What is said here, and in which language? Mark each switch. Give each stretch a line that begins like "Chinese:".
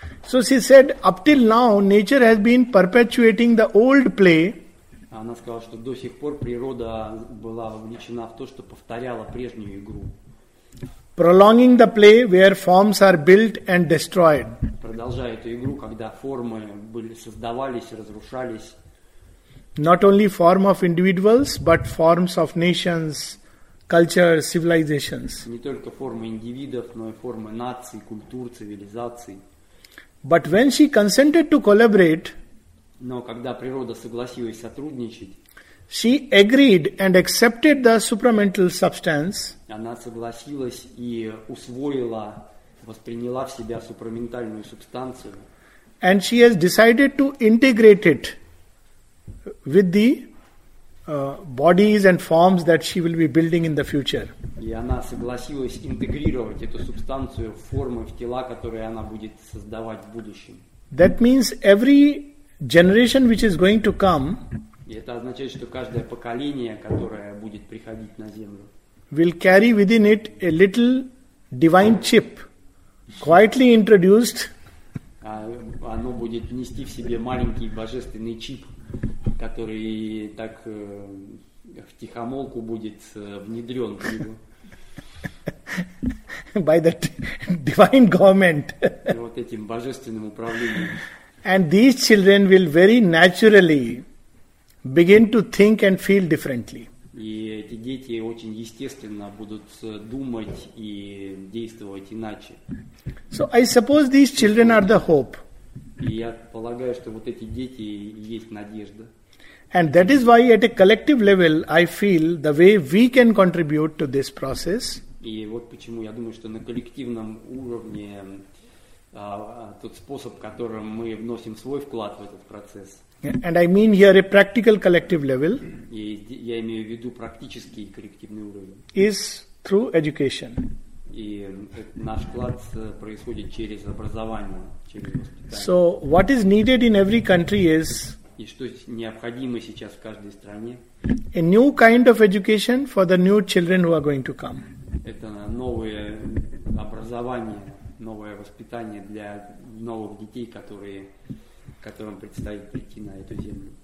English: so she said, up till now nature has been perpetuating the old play.
Russian: Она сказала, что до сих пор природа была вовлечена в то, что повторяла прежнюю игру.
English: Prolonging the play where forms are built and destroyed.
Russian: Продолжая эту игру, когда формы были создавались, разрушались.
English: Not only form of individuals, but forms of nations, cultures, civilizations.
Russian: Не только формы индивидов, но и формы наций, культур, цивилизаций.
English: But when she consented to collaborate,
Russian: но когда природа согласилась сотрудничать,
English: She agreed and accepted the supramental substance.
Russian: Она согласилась и усвоила, восприняла в себя супраментальную субстанцию.
English: And she has decided to integrate it with the bodies and forms that she will be building in the future.
Russian: И она согласилась интегрировать эту субстанцию в формы, в тела, которые она будет создавать в будущем.
English: That means every generation which is going to come.
Russian: И это означает, что каждое поколение, которое будет приходить на землю,
English: will carry within it a little divine chip, quietly introduced.
Russian: Оно будет нести в себе маленький божественный чип, который так втихомолку будет внедрен в него.
English: By the divine government.
Russian: Вот этим божественным управлением.
English: And these children will very naturally begin to think and feel differently.
Russian: И эти дети очень естественно будут думать и действовать иначе.
English: So I suppose these children are the hope.
Russian: И я полагаю, что вот эти дети есть надежда.
English: And that is why at a collective level I feel the way we can contribute to this process.
Russian: И вот почему я думаю, что на коллективном уровне тот способ, которым мы вносим свой вклад в этот процесс.
English: And I mean here a practical collective level.
Russian: И я имею в виду практический коллективный уровень.
English: Is through education.
Russian: И наш вклад происходит через образование, через воспитание.
English: So what is needed in every country is.
Russian: И что необходимо сейчас в каждой стране?
English: A new kind of education for the new children who are going to come.
Russian: Это новое образование, новое воспитание для новых детей, которые которым предстоит прийти на эту землю.